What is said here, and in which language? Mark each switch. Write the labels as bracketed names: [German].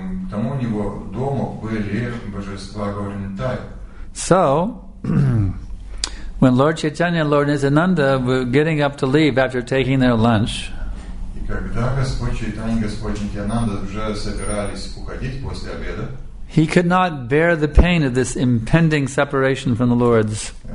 [Russian] Там у него дома были божества Горнитай. [English] So, when Lord Chaitanya and Lord Nityananda were getting up to leave after taking their lunch, [Russian] и когда Господь Чайтани, Господь Нитьянанда уже собирались уходить после обеда, [English] he could not bear the pain of this impending separation from the Lords.